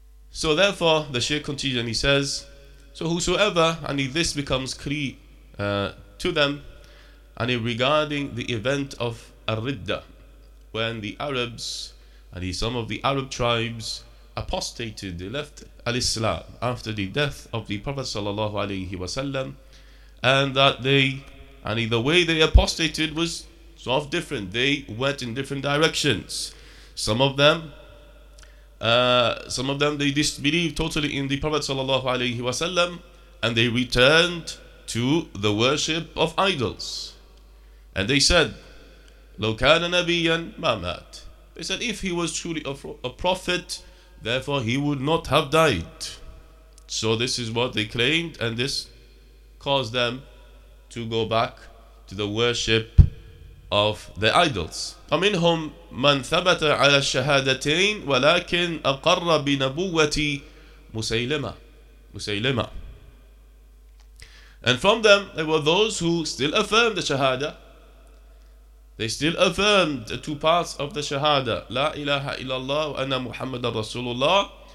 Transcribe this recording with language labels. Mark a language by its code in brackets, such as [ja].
[en] So therefore, the Shaykh continues and he says, so whosoever, and this becomes clear to them, and regarding the event of Ar-Ridda, when the Arabs, and some of the Arab tribes, apostated, they left Al-Islam after the death of the Prophet sallallahu alayhi wa sallam, and that the way they apostated was sort of different. They went in different directions. Some of them, they disbelieved totally in the Prophet sallallahu alayhi wa sallam, and they returned to the worship of idols. And they said, [ar] لو كان نبياً ما مات. [en] They said, if he was truly a prophet, therefore he would not have died. So this is what they claimed, and this caused them to go back to the worship of the idols. [ar] ومنهم من ثبت على الشهادتين ولكن أقر بنبوة مسيلمة. مسيلمة. [en] And from them, there were those who still affirmed the Shahada. They still affirmed the two parts of the Shahada. [ar] لا إله إلا الله وأنا محمد رسول الله.